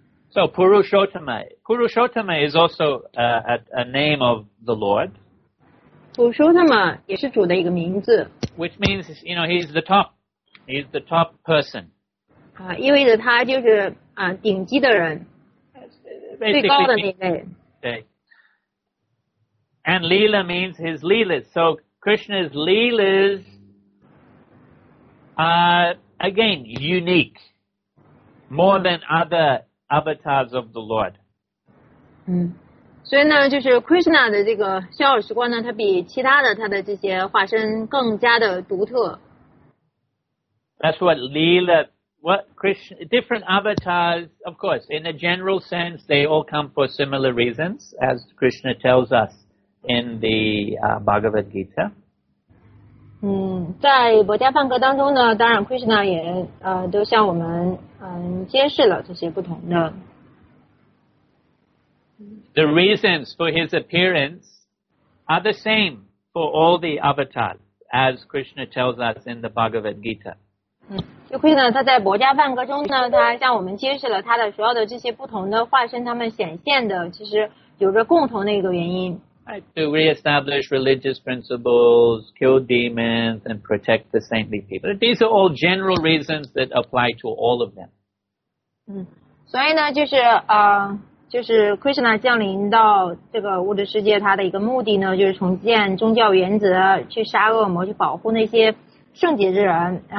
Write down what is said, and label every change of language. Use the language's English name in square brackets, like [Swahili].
[English] So Purushottama, Purushottama is also a name of the Lord. [Chinese] Purushottama 也是主的一个名字。 [English] Which means, you know, he's the top person. [Chinese] 意味着他就是顶级的人，最高的那位。对。 [English] And Leela means his Leelas. So Krishna's Leelas are, again, unique. More than other... Avatars of the Lord. [Chinese] 所以呢，就是 Krishna 的这个逍遥时光呢，它比其他的它的这些化身更加的独特。 [English] That's what Leela, what Krishna, different avatars, of course, in a general sense, they all come for similar reasons, as Krishna tells us in the Bhagavad Gita. [Chinese] 在《薄伽梵歌》当中呢，当然 Krishna 也都向我们。揭示了这些不同的。 [English] The reasons for his appearance are the same for all the avatars, as Krishna tells us in the Bhagavad Gita. [Chinese] 就 Krishna 他在《薄伽梵歌》中呢，他向我们揭示了他的所有的这些不同的化身，他们显现的其实有着共同的一个原因。 [English] To reestablish religious principles, kill demons, and protect the saintly people. These are all general reasons that apply to all of them. [Chinese] 所以呢，就是 Krishna 降临到这个物质世界，他的一个目的呢，就是重建宗教原则，去杀恶魔，去保护那些圣洁之人。